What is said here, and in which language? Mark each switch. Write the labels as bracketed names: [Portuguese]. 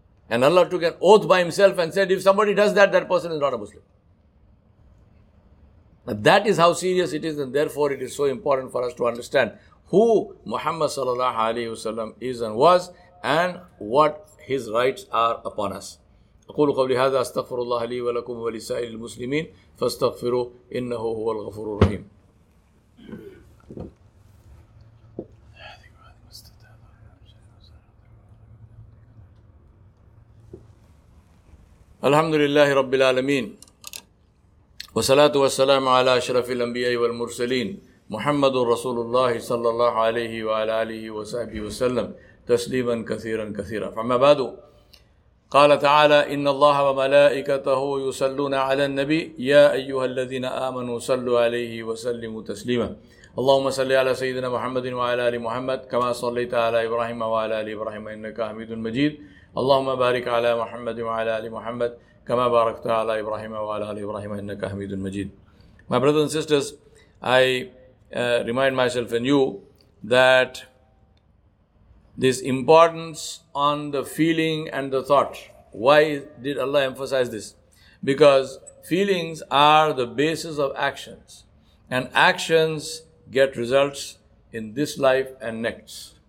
[English] And Allah took an oath by himself and said, if somebody does that, that person is not a Muslim. Now that is how serious it is, and therefore it is so important for us to understand who Muhammad sallallahu alayhi wa sallam is and was, and what his rights are upon us. [Arabic] أقول قولي هذا أستغفر الله لي ولكم ولسائر المسلمين فاستغفروا إنه هو الغفور الرحيم. الحمد لله رب العالمين والصلاة والسلام على أشرف الأنبياء والمرسلين محمد رسول الله صلى الله عليه وعلى آله وصحبه وسلم تسليما كثيرا كثيرا. فما بعد, قال تعالى إن الله وملائكته يصلون على النبي يا أيها الذين آمنوا صلوا عليه وسلموا تسليما. اللهم صل على سيدنا محمد وعلى آل محمد كما صليت على إبراهيم وعلى آل إبراهيم إنك حميد مجيد اللهم بارك على محمد وعلى آل محمد كما باركت على إبراهيم وعلى آل إبراهيم إنك حميد مجيد. [English] My brothers and sisters, I remind myself and you that this importance on the feeling and the thought. Why did Allah emphasize this? Because feelings are the basis of actions, and actions get results in this life and next.